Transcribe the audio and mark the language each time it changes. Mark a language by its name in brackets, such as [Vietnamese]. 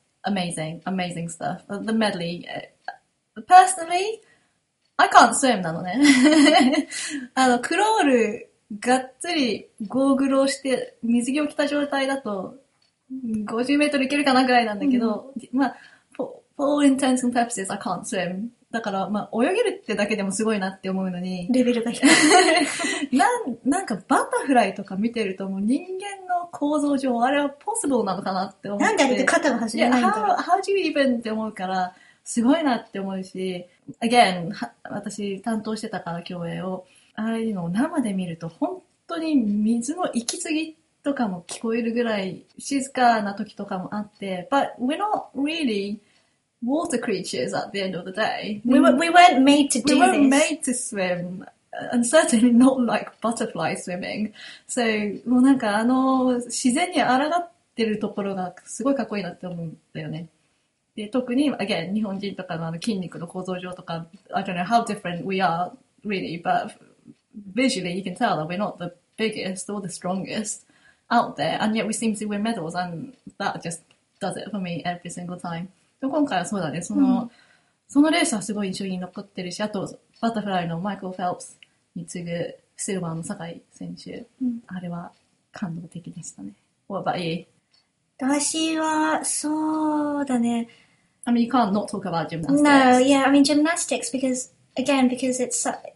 [English] amazing, amazing stuff. The medley, personally, I can't swim, [Japanese] なのね。あの、クロール、がっつり、ゴーグルをして、水着を着た状態だと、50メートルいけるかなぐらいなんだけど、mm-hmm. [English] まあ、for all intents and purposes, I can't swim. [Japanese] だから、まあ、泳げるってだけでもすごいなって思うのに。レベルが低い。なんか、バタフライとか見てると、もう人間の構造上、あれはポッシブルなのかなって思って。なんであれで肩が走れないんだろう。 [English] How do you even? [Japanese] って思うから、すごいなって思うし、again, 私担当してたから、競泳を。ああいうのを生で見ると、本当に水の息継ぎとかも聞こえるぐらい、静かな時とかもあって、 [English] but we're not really water creatures at the end of the day. We weren't made to swim. And certainly not like butterfly swimming. [Japanese] So, もうなんかあの、自然に抗ってるところがすごいかっこいいなって思うんだよね。 [English] で、特に、again, [Japanese] 日本人とかのあの筋肉の構造上とか、 [English] I don't know how different we are, really, but visually you can tell that we're not the biggest or the strongest out there, and yet we seem to win medals, and that just does it for me every single time. [Japanese] で、今回はそうだね。そのレースはすごい印象に残ってるし、あと、バタフライのマイクル・フェルプスに次ぐシルバーの坂井選手。あれは感動的でしたね。 [English] What about you? [Japanese] 私は、そうだね。 [English] I mean, you can't not talk about gymnastics. No, yeah, I mean, gymnastics, because it's so...